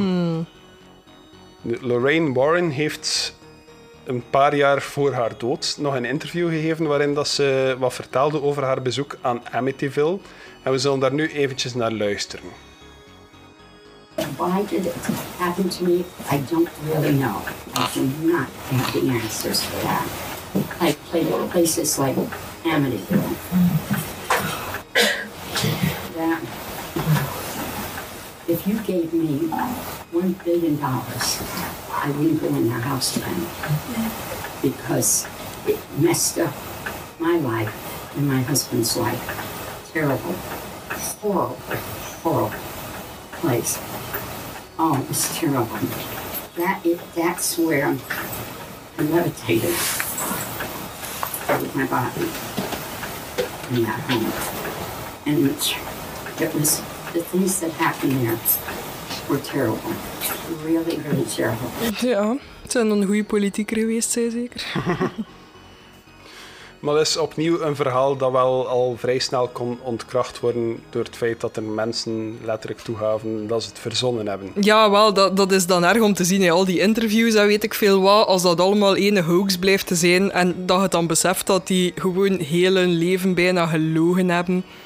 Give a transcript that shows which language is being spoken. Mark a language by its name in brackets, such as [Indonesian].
[Dutch] Mm. Lorraine Warren heeft een paar jaar voor haar dood nog een interview gegeven waarin dat ze wat vertelde over haar bezoek aan Amityville. En we zullen daar nu eventjes naar luisteren. [English] Why did it happen to me? I don't really know. I do not have the answers for that. I played at places like Amityville. That if you gave me $1 billion, I wouldn't go in the house again. Because it messed up my life and my husband's life. Terrible. Horrible. Horrible place. Oh, it was terrible. That's where I levitated with my body in that home. And it was the things that happened there were terrible. Really, really terrible. Yeah. [Dutch] Het zijn een goede politieker geweest, zei zeker. Maar dat is opnieuw een verhaal dat wel al vrij snel kon ontkracht worden door het feit dat er mensen letterlijk toegaven dat ze het verzonnen hebben. Ja, wel, dat is dan erg om te zien. Hè. Al die interviews, dat weet ik veel wat, als dat allemaal ene hoax blijft te zijn en dat je dan beseft dat die gewoon heel hun leven bijna gelogen hebben.